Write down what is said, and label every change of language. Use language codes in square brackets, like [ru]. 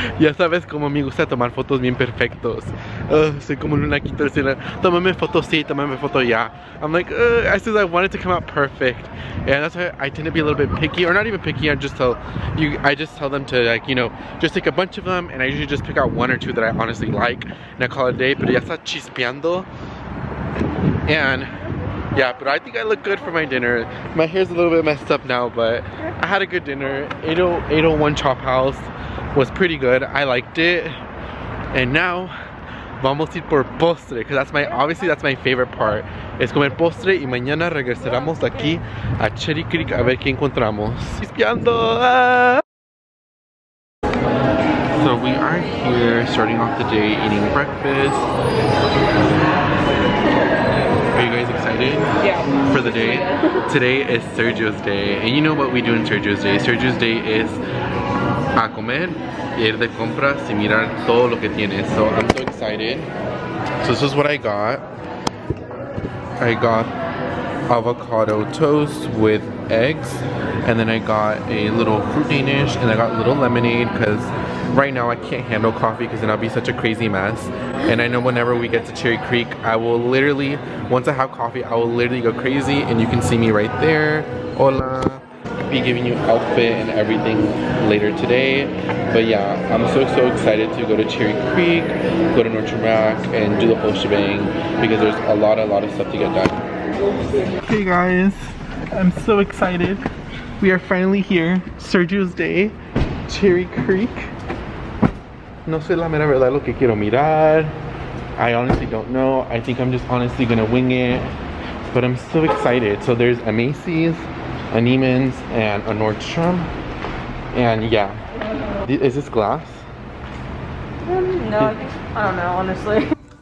[es] Ya sabes como me gusta tomar fotos bien perfectos. Soy como una quinta escena. Tomame foto, sí, tomame foto, ya. [en] I'm like, I said I wanted to come out perfect. And that's why I tend to be a little bit picky, or not even picky, I just tell them to, like, you know, just take a bunch of them, and I usually just pick out one or two that I honestly like, and I call it a day, [es] pero ya está chispeando. [en] And yeah, but I think I look good for my dinner. My hair's a little bit messed up now, but I had a good dinner. 801 Chop House was pretty good. I liked it. And now, [es] vamos a ir por postre, [en] because that's my favorite part. [es] Es comer postre y mañana regresaremos aquí a Cherry Creek a ver qué encontramos. Chispeando! [en] So we are here starting off the day eating breakfast. Are you guys excited for the day? Today is Sergio's day, and you know what we do in Sergio's day. Sergio's day is [es] a comer, ir de compras y mirar todo lo que tienes. [en] So I'm so excited. So this is what I got. I got avocado toast with eggs, and then I got a little fruit danish, and I got a little lemonade because right now I can't handle coffee because then I'll be such a crazy mess. And I know whenever we get to Cherry Creek, once I have coffee, I will literally go crazy, and you can see me right there. Hola. I'll be giving you outfit and everything later today. But yeah, I'm so excited to go to Cherry Creek, go to Nordstrom Rack, and do the whole shebang because there's a lot of stuff to get done. Hey guys, I'm so excited. We are finally here. Sergio's day, Cherry Creek. [es] No sé la mera verdad lo que quiero mirar. [en] I honestly don't know. I think I'm just honestly gonna wing it. But I'm so excited. So there's a Macy's, a Neiman's, and a Nordstrom. And yeah. Is this glass? No, I don't know, honestly.